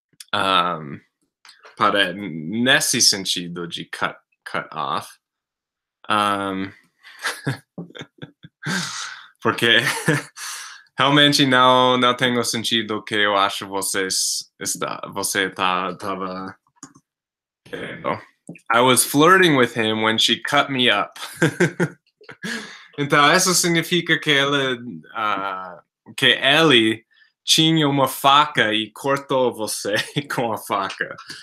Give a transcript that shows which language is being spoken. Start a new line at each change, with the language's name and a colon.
Portuguese: Para nesse sentido de cut off. porque realmente não tem o sentido que eu acho você tava querendo.
English: I was flirting with him when she cut me up.
Portuguese: Então, isso significa que ele tinha uma faca e cortou você com a faca.